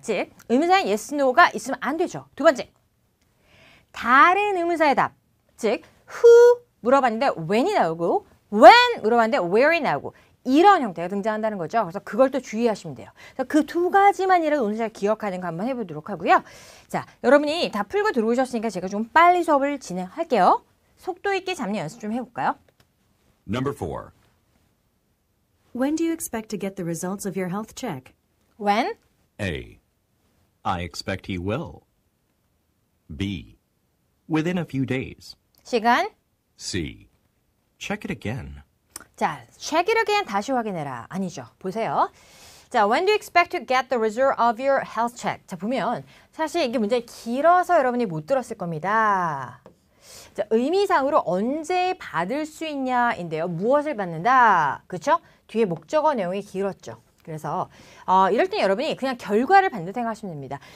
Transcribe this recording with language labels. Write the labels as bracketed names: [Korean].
[Korean] 즉 의문사에 yes, no가 있으면 안 되죠. 두 번째 다른 의문사의 답 즉 who 물어봤는데 when이 나오고 when 물어봤는데 where이 나오고 이런 형태가 등장한다는 거죠. 그래서 그걸 또 주의하시면 돼요. 그래서 그 두 가지만이라도 오늘 잘 기억하는 거 한번 해보도록 하고요. 자, 여러분이 다 풀고 들어오셨으니까 제가 좀 빨리 수업을 진행할게요. 속도 있게 잡는 연습 좀 해볼까요? [English] Number 4. When do you expect to get the results of your health check? When? A. I expect he will. B. Within a few days. [Korean] 시간? [English] C. Check it again. [Korean] 자, [English] check it again [Korean] 다시 확인해라. 아니죠. 보세요. [English] 자, when do you expect to get the result of your health check? [Korean] 자, 보면 사실 이게 문제 길어서 여러분이 못 들었을 겁니다. 자, 의미상으로 언제 받을 수 있냐인데요. 무엇을 받는다? 그렇죠? 뒤에 목적어 내용이 길었죠. 그래서 이럴 때 여러분이 그냥 결과를 반드시 생각하시면 됩니다.